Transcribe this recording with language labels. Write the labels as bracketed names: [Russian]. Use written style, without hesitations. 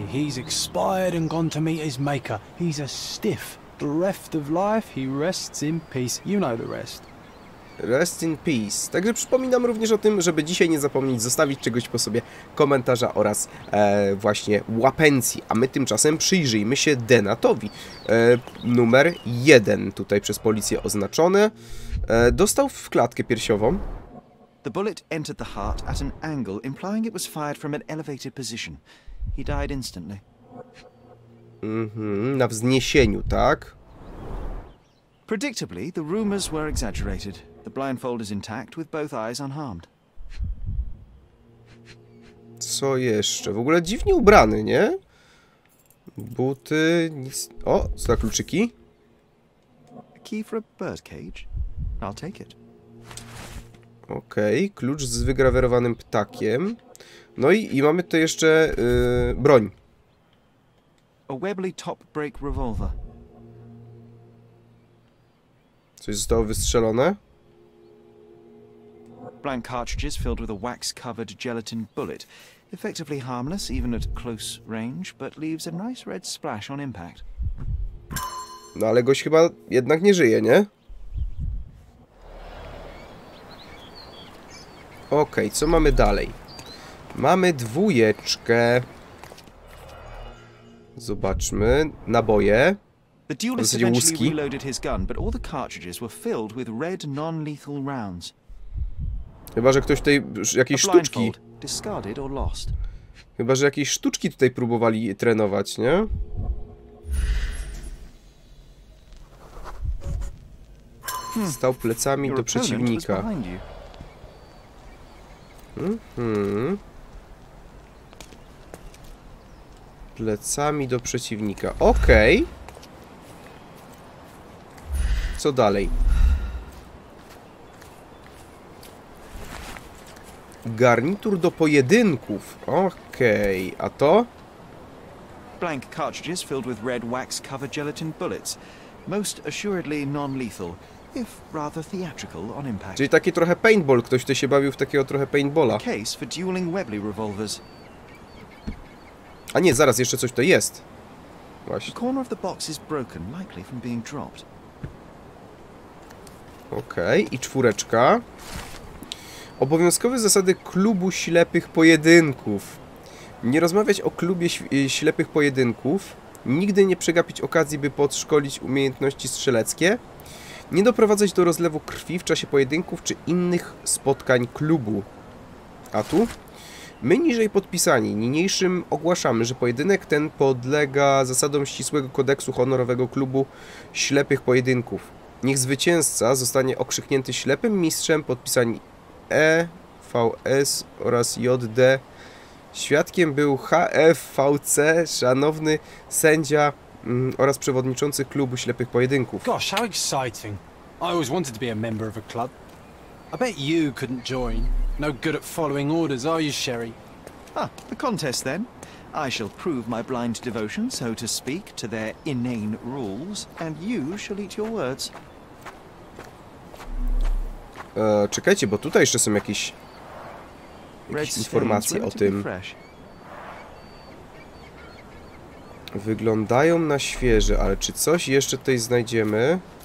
[English] He's expired and gone to meet his maker. He's a stiff, bereft of life. He rests in peace. You know the rest. Rest in peace. [Polish] Także przypominam również o tym, żeby dzisiaj nie zapomnieć zostawić czegoś po sobie komentarza oraz właśnie łapencji. A my tymczasem przyjrzyjmy się Denatowi. Numer 1 tutaj przez policję oznaczone. Dostał w klatkę piersiową. [English] The bullet entered the heart at an angle, implying it was fired from an elevated position. He died instantly. [Polish] Na wzniesieniu, tak? [English] Predictably, the rumors were exaggerated. The blindfold is intact, with both eyes unharmed. [Polish] Co jeszcze? W ogóle dziwnie ubrany, nie? Buty, nic. O, za kluczyki. [English] A key for a birdcage? I'll take it. [Polish] Okej, okay, klucz z wygrawerowanym ptakiem. No i mamy tutaj jeszcze broń. [English] A Webley top break revolver. [Polish] Coś zostało wystrzelone? [English] Blank cartridges filled with a wax-covered gelatin bullet. Effectively harmless even at close range, but leaves a nice red splash on impact. [Polish] No ale gość chyba jednak nie żyje, nie? Okej, co mamy dalej? Mamy dwójeczkę. Zobaczmy, naboje. [English] The duelist eventually reloaded his gun, but all the cartridges were filled with red non-lethal rounds. [Polish] Chyba że ktoś tutaj jakieś sztuczki. [English] Discarded or lost. [Polish] Chyba że jakieś sztuczki tutaj próbowali trenować, nie? Stał plecami do przeciwnika. Plecami do przeciwnika. Okej. Co dalej? Garnitur do pojedynków. Okej. A to? [English] Blank cartridges filled with red wax covered gelatin bullets. Most assuredly non-lethal. If rather theatrical on impact. [Polish] Czyli taki trochę paintball, ktoś tutaj się bawił w takiego trochę paintballa. [English] Case for dueling Webley revolvers. [Polish] A nie, zaraz, jeszcze coś to jest. Właśnie. The corner of the box is broken, likely from being dropped. Okej, okay, i czwóreczka. Obowiązkowe zasady klubu ślepych pojedynków. Nie rozmawiać o klubie ślepych pojedynków. Nigdy nie przegapić okazji, by podszkolić umiejętności strzeleckie. Nie doprowadzać do rozlewu krwi w czasie pojedynków czy innych spotkań klubu. A tu? My niżej podpisani, niniejszym ogłaszamy, że pojedynek ten podlega zasadom ścisłego kodeksu honorowego klubu ślepych pojedynków. Niech zwycięzca zostanie okrzyknięty ślepym mistrzem, podpisani E, VS oraz JD. Świadkiem był HF, VC, szanowny sędzia oraz przewodniczący klubu ślepych pojedynków. [English] Gosh, how exciting. I always wanted to be a member of a club. I bet you couldn't join. No good at following orders, are you, Sherry? Ah, the contest then. I shall prove my blind devotion, so to speak, to their inane rules, and you shall eat your words. [Polish] Czekajcie, bo tutaj jeszcze są jakieś informacje o tym. Wyglądają na świeże, ale czy coś jeszcze tutaj znajdziemy?